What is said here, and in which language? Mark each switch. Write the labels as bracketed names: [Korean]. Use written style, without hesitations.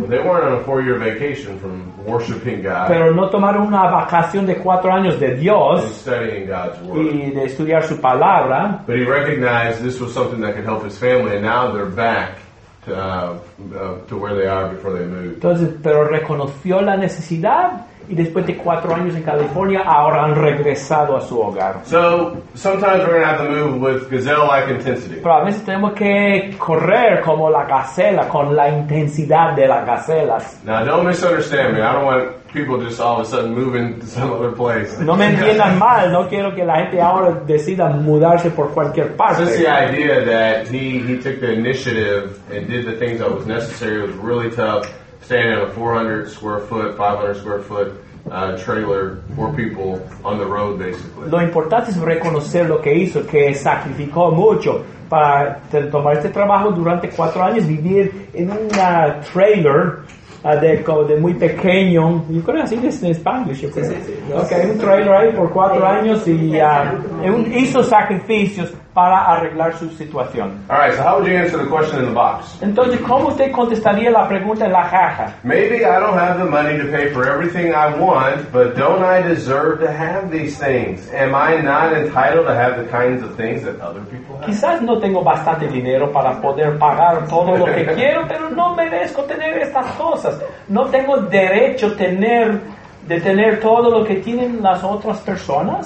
[English] But they weren't on a 4-year vacation from worshiping God. [Spanish] Pero no tomaron una vacación de 4 años de Dios. [English] And studying God's word. [Spanish] Y de estudiar su palabra. [English] But he recognized this was something that could help his family, and now they're back. To where they are before they moved. [Spanish] Entonces, pero reconoció la necesidad y después de 4 años en California, ahora han regresado a su hogar. [English] So sometimes we're gonna have to move with gazelle-like intensity. [Spanish] Pero a veces tenemos que correr como la gacela, con la intensidad de las gacelas. [English] Now, don't misunderstand me. I don't want people just all of a sudden moving to some other place. [Spanish] No me entiendan mal. No quiero que la gente ahora decida mudarse por cualquier parte. [English] Just the idea that he took the initiative and did the things that was necessary. It was really tough staying in a 500 square foot trailer, 4 people on the road, basically. [Spanish] Lo importante es reconocer lo que hizo, que sacrificó mucho para tomar este trabajo durante 4 años, vivir en una trailer. De muy pequeño. [English] You could have seen this in Spanish. Okay, [Spanish] sí, sí, sí. Okay, un trailer ahí por 4 años y hizo sacrificios para arreglar su situación. [English] All right, so how would you answer the question in the box? [Spanish] Entonces, ¿cómo usted contestaría la pregunta en la caja? [English] Maybe I don't have the money to pay for everything I want, but don't I deserve to have these things? Am I not entitled to have the kinds of things that other people have? [Spanish] Quizás no tengo bastante dinero para poder pagar todo lo que quiero, pero no merezco tener estas cosas. No tengo derecho a tener... de tener todo lo que tienen las otras personas.